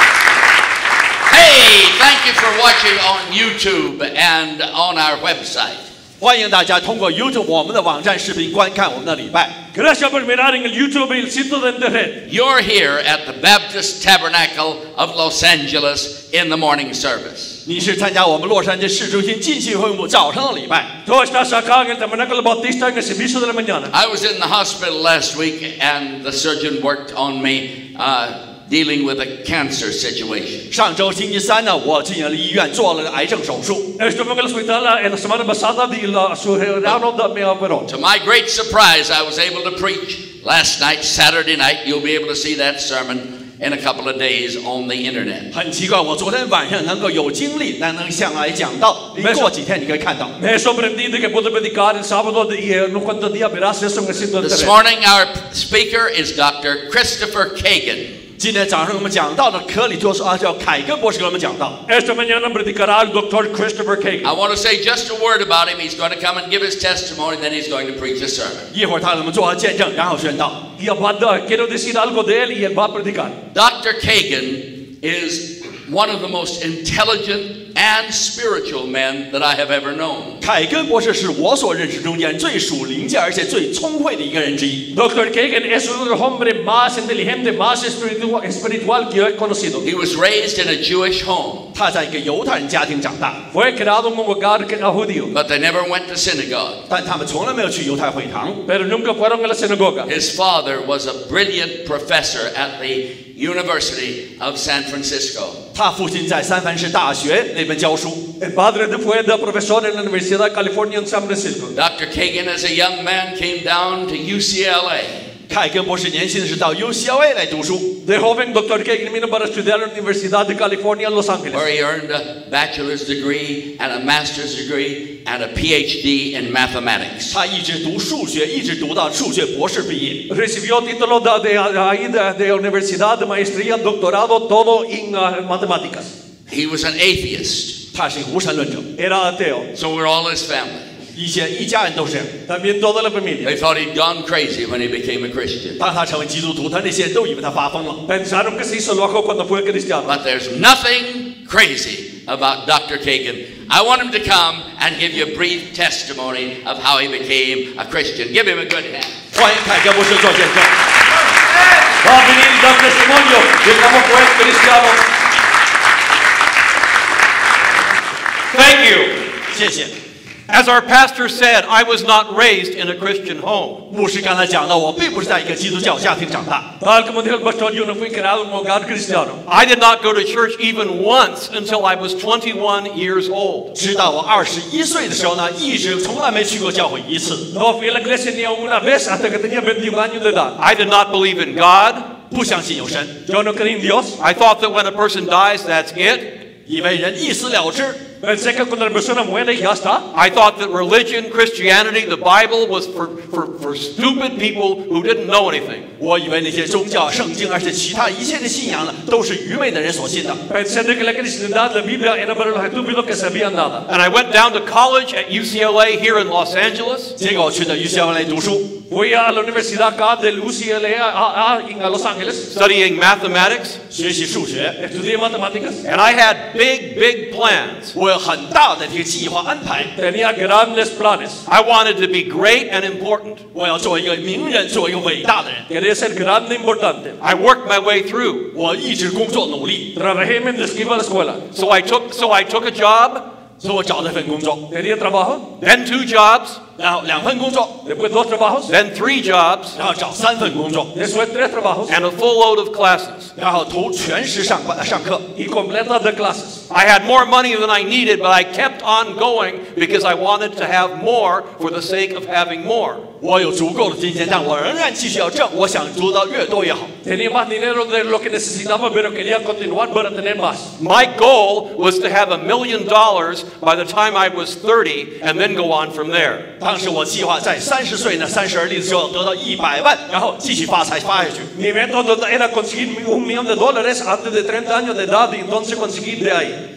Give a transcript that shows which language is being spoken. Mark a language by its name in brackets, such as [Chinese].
[English] you for watching on YouTube and on our website. [Chinese] 欢迎大家通过 YouTube 我们的网站视频观看我们的礼拜。 [Spanish] Gracias por mirar en el YouTube y el sitio de internet. [English] You're here at the Baptist Tabernacle of Los Angeles in the morning service. [Chinese] 你是参加我们洛杉矶市中心浸信会幕早上的礼拜。 [Spanish] Tú estás acá en el Tabernacle Bautista en el servicio de la mañana. [English] I was in the hospital last week and the surgeon worked on me, dealing with a cancer situation. [Chinese] 上周星期三呢，我进了医院做了癌症手术。 [Spanish] Estuve en el hospital la semana pasada y la sugerieron darme algo. [English] To my great surprise, I was able to preach last night, Saturday night. You'll be able to see that sermon in a couple of days on the internet. [Chinese] 很奇怪，我昨天晚上能够有精力，能向来讲道，过几天你可以看到。 [Spanish] Me sorprendido que pude predicar el sábado y no cuando día verás eso en el sitio de internet. [English] This morning, our speaker is Dr. Christopher Cagan. [Chinese] 今天早上我们讲到的科里托斯啊，叫凯根博士给我们讲到。 [Spanish] Esta mañana predicará el doctor Christopher Cagan. [English] I want to say just a word about him. He's going to come and give his testimony, then he's going to preach a sermon. [Chinese] 一会儿他给我们做见证，然后宣道。 [Spanish] Y aparte quiero decir algo de él y él va a predicar. [English] Dr. Cagan is one of the most intelligent and spiritual men that I have ever known. [Chinese] 凯根博士是我所认识中间最属灵界而且最聪慧的一个人之一。 [Spanish] Dr. Cagan es un hombre más inteligente, más espiritual que yo he conocido. [English] He was raised in a Jewish home. [Chinese] 他在一个犹太人家庭长大。 [Spanish] Fue criado en un hogar judío. [English] But they never went to synagogue. [Chinese] 但他们从来没有去犹太会堂。 [Spanish] Pero nunca fueron a la sinagoga. [English] His father was a brilliant professor at the University of San Francisco. [Chinese] 他父亲在三藩市大学那边教书。 [Spanish] El padre fue de profesor en la Universidad de California en San Francisco. [English] Dr. Cagan, as a young man, came down to UCLA. [Chinese] 凯根博士年轻的时候到 UCLA 来读书。 [Spanish] De joven, Dr. Cagan vino para estudiar en la Universidad de California en Los Ángeles. [English] Where he earned a bachelor's degree and a master's degree and a PhD in mathematics. [Chinese] 他一直读数学，一直读到数学博士毕业。 [Spanish] Recibió título de ahí de la Universidad de Maestría, doctorado todo en matemáticas. [English] He was an atheist. [Chinese] 他是无神论者。 [Spanish] Era ateo. [English] So were all his family. [Chinese] 一家人都是， [Spanish] también toda la familia. [English] They thought he'd gone crazy when he became a Christian. [Chinese] 当他成为基督徒，他那些人都以为他发疯了。 [Spanish] Pensaron que se hizo loco cuando fue cristiano. [English] But there's nothing crazy about Dr. Cagan. I want him to come and give you a brief testimony of how he became a Christian. Give him a good hand. [Chinese] 欢迎凯根博士做见证。 [Spanish] Va a venir dar testimonio de cómo fue cristiano. [English] Thank you. [Chinese] 谢谢。 [English] As our pastor said, I was not raised in a Christian home. [Chinese] 牧师刚才讲了，我并不是在一个基督教家庭长大。 [Spanish] Tal como dijo el pastor, yo no fui criado en un hogar cristiano. [English] I did not go to church even once until I was 21 years old. [Chinese] 直到我21岁的时候呢，一直从来没去过教会一次。 [Spanish] No fui a la iglesia ni una vez hasta que tenía 21 años de edad. [English] I did not believe in God. [Chinese] 不相信有神。 [Spanish] Yo no creí en Dios. [English] I thought that when a person dies, that's it. [Chinese] 以为人一死了之。 [English] I thought that religion, Christianity, the Bible was for stupid people who didn't know anything. [Chinese] 我以为那些宗教、圣经，而且其他一切的信仰呢，都是愚昧的人所信的。 [Spanish] Pensando que la cristiandad, la Biblia era para los estúpidos que sabían nada. [English] And I went down to college at UCLA here in Los Angeles. [Chinese] 结果去到 UCLA 读书。 [Spanish] Fui a la Universidad acá del UCLA en Los Ángeles. [English] Studying mathematics. [Chinese] 学习数学。 [Spanish] Estudié matemáticas. [English] And I had big, big plans. [Chinese] 我有很大的这个计划安排。 [Spanish] Tenía grandes planes. [English] I wanted to be great and important. [Chinese] 我要做一个名人，做一个伟大的人。 [Spanish] Quería ser grande e importante. [English] I worked my way through. [Chinese] 我一直工作努力。 [Spanish] Trabajé mientras iba a la escuela. [English] So I took a job. [Chinese] 所以我找了一份工作。 [Spanish] Tenía trabajo. [English] Then two jobs. [Chinese] 然后两份工作 [Spanish] después dos trabajos, [English] then three jobs, [Chinese] 然后找三份工作 [Spanish] después tres trabajos, [English] and a full load of classes, [Chinese] 然后投全时上课 [Spanish] y completa [English] the classes. I had more money than I needed, but I kept on going because I wanted to have more for the sake of having more. [Chinese] 我有足够的金钱，但我仍然继续要挣，我想得到越多越好。 [Spanish] Tenía más dinero de lo que necesitaba, pero quería continuar para tener más. [English] My goal was to have $1 million by the time I was 30 and then go on from there. [Chinese] 当时我计划在三十岁呢，三十而立的时候得到100万，然后继续发财发下去。 [Spanish] Mi meta era conseguir $1 million antes de 30 años de edad, entonces conseguir de ahí.